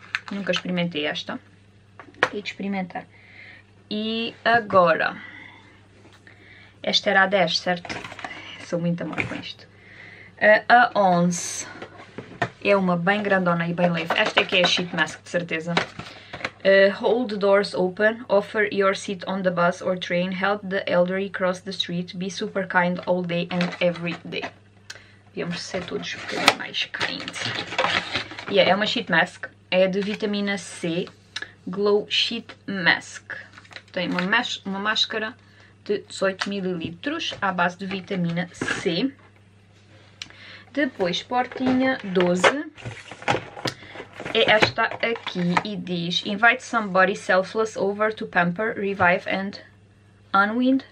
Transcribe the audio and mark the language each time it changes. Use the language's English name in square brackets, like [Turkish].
[Portuguese] Nunca experimentei esta. Tenho de experimentar. E agora? Esta era a 10, certo? Sou muito amor com isto. A 11. É uma bem grandona e bem leve. Esta aqui é a sheet mask, de certeza. [English] Hold the doors open, offer your seat on the bus or train, help the elderly cross the street, be super kind all day and every day. [Portuguese] Devíamos ser todos um bocadinho mais kind. [English] Yeah, [Portuguese] é uma sheet mask, é de vitamina C, Glow Sheet Mask. Tem uma máscara de 18 ml à base de vitamina C. Depois, portinha 12. É esta aqui e diz: [English] Invite somebody selfless over to pamper, revive and unwind.